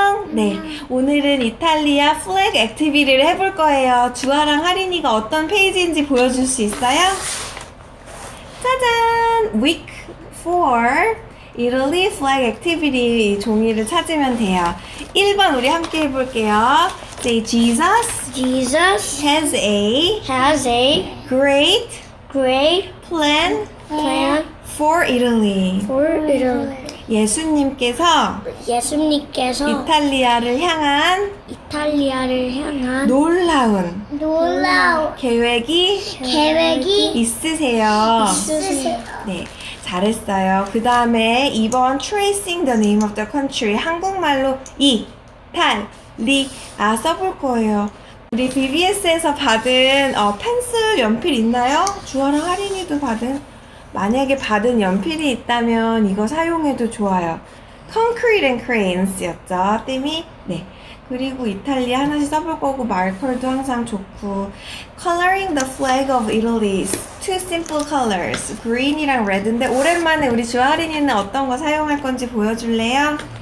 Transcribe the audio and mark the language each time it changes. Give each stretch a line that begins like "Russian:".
Korean: 네, 오늘은 이탈리아 플래그 액티비티를 해볼 거예요. 주아랑 하린이가 어떤 페이지인지 보여줄 수 있어요? 짜잔!
English: Week 4 Italy flag activity
Korean: 종이를 찾으면 돼요. 1번 우리 함께 해볼게요.
English: Say Jesus. Jesus has a has a great great plan plan for Italy. For Italy.
Korean: 예수님께서 예수님께서 이탈리아를 향한 이탈리아를 향한 놀라운 놀라운 계획이 계획이 있으세요. 있으세요. 네. 잘했어요. 그 다음에 2번
English: tracing the name of the country
Korean: 한국말로 이탈리아 써볼 거예요. 우리 VBS에서 받은 펜슬 연필 있나요? 주아랑 하린이도 받은? 만약에 받은 연필이 있다면 이거 사용해도 좋아요.
English: Concrete and cranes였죠?
Korean: 띠미? 네. 그리고 이탈리 하나씩 써볼 거고 말컬도 항상 좋고
English: Coloring the flag of Italy Two simple colors
Korean: Green이랑 red인데 오랜만에 우리 주아린이는 어떤 거 사용할 건지 보여줄래요?